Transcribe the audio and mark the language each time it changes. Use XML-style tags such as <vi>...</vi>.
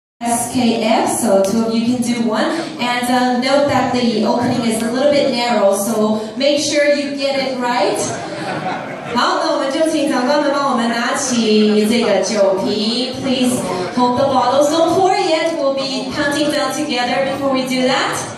<en>SKF, so two of you can do one. And note that the opening is a little bit narrow, so make sure you get it right.</en> <zh>好，那我们就请长官们帮我们拿起这个酒瓶。</zh> <en>Please hold the bottles. Don't pour yet. We'll be counting down together before we do that.</en>